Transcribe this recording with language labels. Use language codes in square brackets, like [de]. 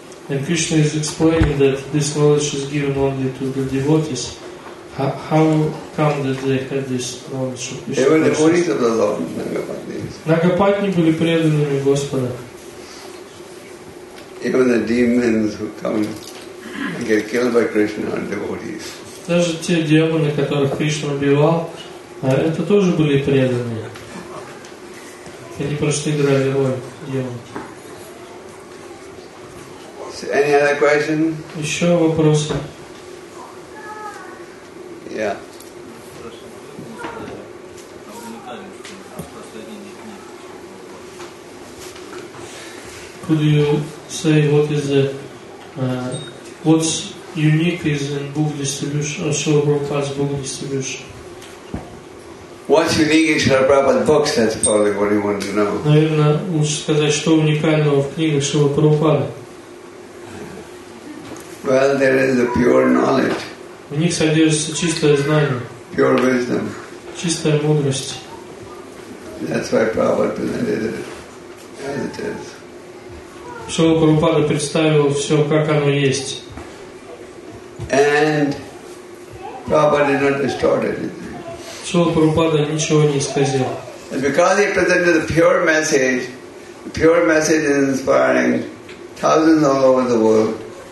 [en] And Krishna is explaining that this knowledge is given only to the devotees. How come that they had this knowledge? They were devotees of the Lord, Nagapatnis. [ru] Nagapatni были преданными Господа. [en] Even the demons who come and get killed by Krishna are devotees. [ru] Даже те демоны, которых Кришна убивал, это тоже были преданные. Они просто играли роль демонов. [en] Any other question? [ru] Еще вопросы? [en] Yeah. Could you say what is the what's unique is in book distribution or Srila Prabhupada's book distribution? What's unique in Srila Prabhupada's books? That's probably what you want to know. [ru] Наверное, лучше сказать, что уникального в книгах Srila Prabhupada. [en] Well, there is a pure knowledge. [ru] В них содержится чистое знание. [en] Pure wisdom. [ru] Чистая мудрость. [en] That's why Prabhupada presented it as it is. [ru] Шрила Прабхупада представил все, как оно есть. [en] And Prabhupada did not distort anything. [ru] Шрила Прабхупада ничего не исказил. [en] And because he presented the pure message is inspiring thousands all over the world.